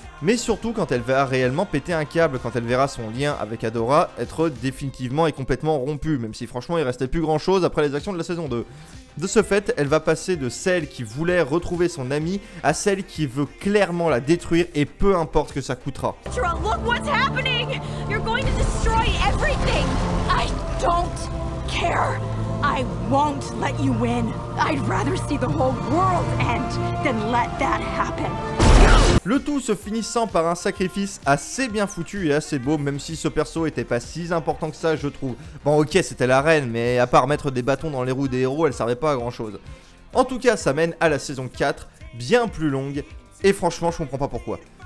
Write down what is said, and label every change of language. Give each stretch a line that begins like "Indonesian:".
French: Mais surtout quand elle va réellement péter un câble, quand elle verra son lien avec Adora être définitivement et complètement rompu, même si franchement il restait plus grand chose après les actions de la saison 2. De ce fait, elle va passer de celle qui voulait retrouver son amie à celle qui veut clairement la détruire et peu importe ce que ça coûtera.
English: Catra, look what's happening! You're going to destroy everything! I don't care! I won't let you win! I'd rather see the whole world end than let that happen!
French: Le tout se finissant par un sacrifice assez bien foutu et assez beau, même si ce perso était pas si important que ça, je trouve. Bon, ok, c'était la reine, mais à part mettre des bâtons dans les roues des héros, elle servait pas à grand chose. En tout cas, ça mène à la saison 4, bien plus longue, et franchement, je comprends pas pourquoi.